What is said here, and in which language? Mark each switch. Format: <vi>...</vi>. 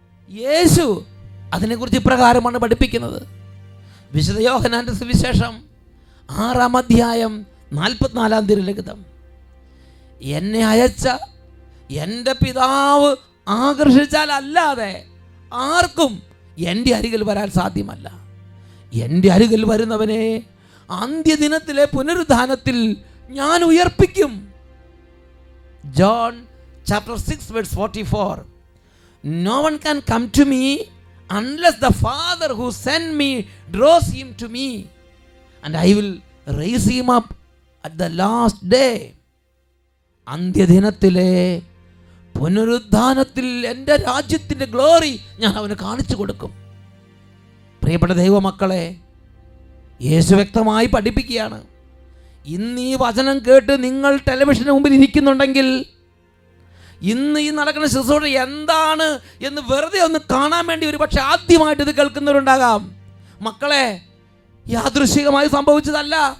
<ml>യേശു അതിനെക്കുറിച്ച് ഇപ്രകാരമാണ് പഠിപ്പിക്കുന്നത്. വിശുദ്ധ യോഹന്നാന്റെ സുവിശേഷം 6:44 എന്നെ അയച്ച എൻ്റെ പിതാവ് ആകർഷിച്ചാലല്ലാതെ ആർക്കും എൻ്റെ അരികിൽ വരാൻ സാധ്യമല്ല. എൻ്റെ അരികിൽ വരുന്നവനെ അന്ത്യദിനത്തിലെ പുനരുദ്ധാനത്തിൽ ഞാൻ ഉയർപ്പിക്കും.</ml> <en>John 6:44 No one can come to me unless the Father who sent me draws him to me, and I will raise him up at the last day.</en> <ml>അന്ത്യദിനത്തിലെ പുനരുദ്ധാനത്തിൽ എൻ്റെ രാജ്യത്തിൻ്റെ ഗ്ലോറി ഞാൻ അവന് കാണിച്ചു കൊടുക്കും. പ്രിയപ്പെട്ട ദൈവമക്കളെ, യേശു വ്യക്തമായി പഠിപ്പിക്കുകയാണ്, ഇന്ന് ഈ വചനം കേട്ട് നിങ്ങൾ ടെലിവിഷന് മുമ്പിൽ ഇരിക്കുന്നുണ്ടെങ്കിൽ ഇന്ന് ഈ നടക്കുന്ന ശുശ്രൂഷ എന്താണ് എന്ന് വെറുതെ ഒന്ന് കാണാൻ വേണ്ടി ഒരു പക്ഷേ ആദ്യമായിട്ടിത് കേൾക്കുന്നവരുണ്ടാകാം. മക്കളെ, യാദൃശ്ചികമായി സംഭവിച്ചതല്ല,</ml>